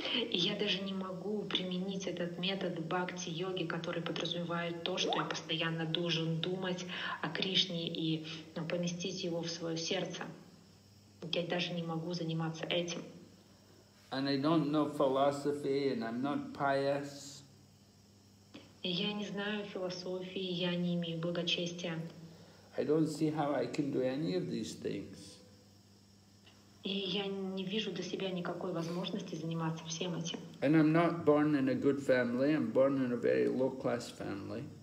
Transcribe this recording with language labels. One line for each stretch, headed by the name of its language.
Russian: Я даже не могу применить этот метод бхакти-йоги, который подразумевает то, что я постоянно должен думать о Кришне и поместить его в свое сердце. Я даже не могу заниматься этим.
English: And I don't know philosophy, and I'm not pious.
Russian: Я не знаю философии, я не имею благочестия.
English: I don't see how I can do any of these things.
Russian: И я не вижу для себя никакой возможности заниматься всем этим.
English: And I'm not born in a good family, I'm born in a very low-class family.